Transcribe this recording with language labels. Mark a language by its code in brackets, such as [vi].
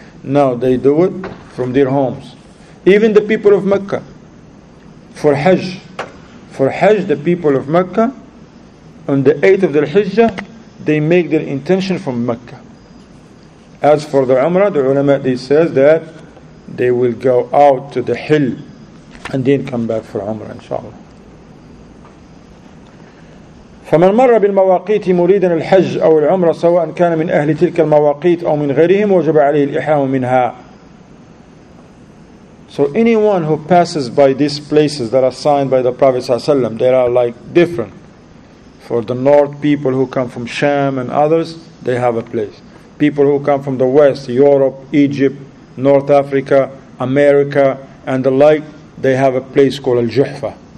[en] Now they do it from their homes. Even the people of Mecca, for Hajj, the people of Mecca, on the 8th of the Hijjah, they make their intention from Mecca. As for the Umrah, the ulama, they says that they will go out to the Hill and then come back for Umrah, inshallah. [ar] فمن مر بالمواقيت مريدا الحج أو العمرة سواء كان من أهل تلك المواقيت أو من غيرهم وجب عليه الإحرام منها. [en] So anyone who passes by these places that are signed by the Prophet ﷺ, they are like different. For the north people who come from Sham and others, they have a place. People who come from the west, Europe, Egypt, North Africa, America, and the like, they have a place called Al-Juhfa.